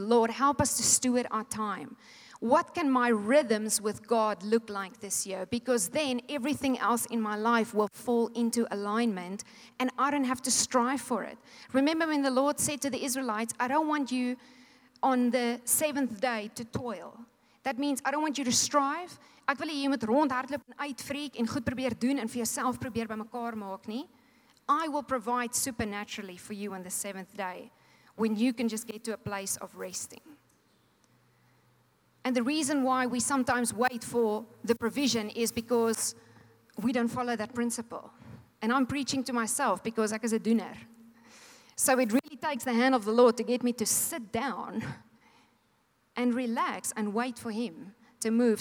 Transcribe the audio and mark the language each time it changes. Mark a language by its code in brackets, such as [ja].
[en] Lord, help us to steward our time. What can my rhythms with God look like this year? Because then everything else in my life will fall into alignment and I don't have to strive for it. Remember when the Lord said to the Israelites, I don't want you on the seventh day to toil. That means I don't want you to strive. [af] Ek wil jy moet rondhardloop en uitfreak en goed probeer doen en vir jouself probeer bymekaar maak nie. [en] I will provide supernaturally for you on the seventh day when you can just get to a place of resting. And the reason why we sometimes wait for the provision is because we don't follow that principle. And I'm preaching to myself because [af] ek is 'n doener. [en] So it really takes the hand of the Lord to get me to sit down and relax and wait for Him to move.